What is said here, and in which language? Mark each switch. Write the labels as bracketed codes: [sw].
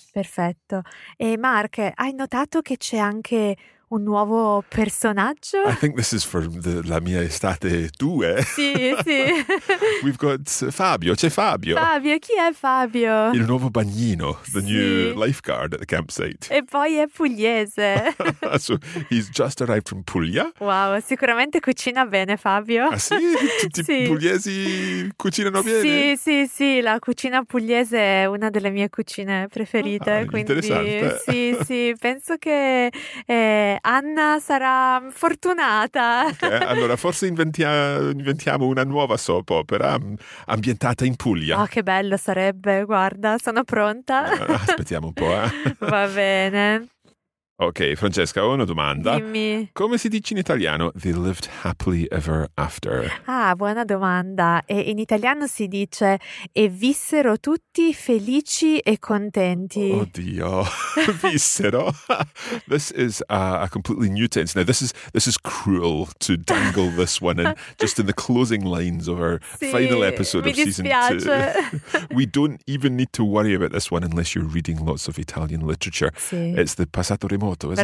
[it] Perfetto. E Mark, hai notato che c'è anche un nuovo personaggio? [en] I think this is for la mia estate 2. [it] Sì, sì. [en] We've got Fabio. [it] C'è Fabio. Fabio, chi è Fabio? Il nuovo bagnino, [en] the new lifeguard at the campsite. [it] E poi è pugliese. [en] So he's just arrived from Puglia. [it] Wow, sicuramente cucina bene, Fabio. Ah sì? Tutti sì. Pugliesi cucinano bene? Sì, sì, sì. La cucina pugliese è una delle mie cucine preferite. Ah, quindi, interessante. Sì, sì. Penso che... Anna sarà fortunata. Okay, allora, forse inventiamo una nuova soap opera ambientata in Puglia. Oh, che bello sarebbe, guarda, sono pronta. Aspettiamo un po', eh. Va bene. Ok, Francesca, ho una domanda. Dimmi. Come si dice in italiano [en] they lived happily ever after? [it] Ah, buona domanda. E in italiano si dice e vissero tutti felici e contenti. Oddio, vissero. [en] This is a completely new tense. Now, this is cruel to dangle this one in just in the closing lines of our [it] sì, [en] final episode of season 2. We don't even need to worry about this one unless you're reading lots of Italian literature. [it] Sì. [en] It's the passato remoto. Moto, isn't